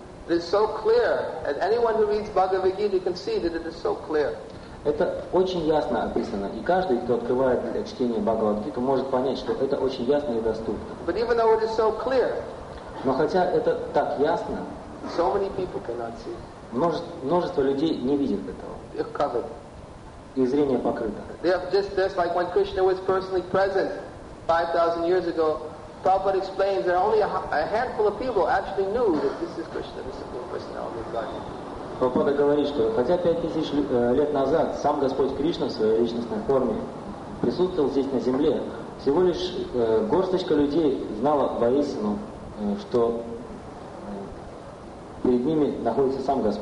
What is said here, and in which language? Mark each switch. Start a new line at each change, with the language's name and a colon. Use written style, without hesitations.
English: It is so clear, and anyone who reads Bhagavad Gita can see that it is so clear.
Russian: Это очень ясно описано, и каждый, кто открывает для чтения Бхагавад-гиту, может понять, что это очень ясно и доступно.
English: But even though it is so clear,
Russian: но хотя это так ясно,
English: so many people cannot see.
Russian: Множество людей не видят этого.
English: They're covered.
Russian: Их зрение покрыто.
English: Just like when Krishna was personally present 5,000 years ago, Prabhupada explains that only a handful of people actually knew that this is Krishna, the Supreme Personality of Godhead.
Russian: Прабхупада говорит, что хотя 5000 лет назад сам Господь Кришна в своей личностной форме присутствовал здесь на земле, всего лишь горсточка людей знала воистину, что перед ними находится сам